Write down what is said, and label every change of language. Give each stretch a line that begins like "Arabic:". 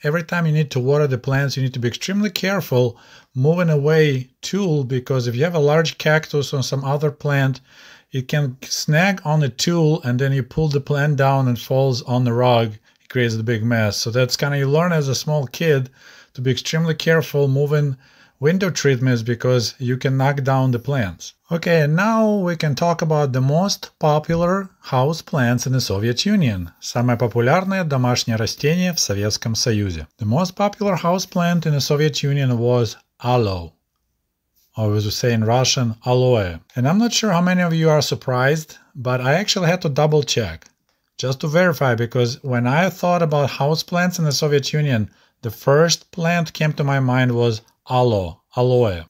English: Every time you need to water the plants, you need to be extremely careful moving away tulle, because if you have a large cactus or some other plant, it can snag on the tulle, and then you pull the plant down and falls on the rug. It creates a big mess. So that's kind of, you learn as a small kid to be extremely careful moving window treatments because you can knock down the plants. Okay, now we can talk about the most popular house plants in the Soviet Union.
Russian: Самое популярное домашнее растение в Советском Союзе.
English: The most popular house plant in the Soviet Union was aloe. Or as we say in Russian, aloe. And I'm not sure how many of you are surprised, but I actually had to double check. Just to verify, because when I thought about houseplants in the Soviet Union, the first plant came to my mind was aloe, aloe.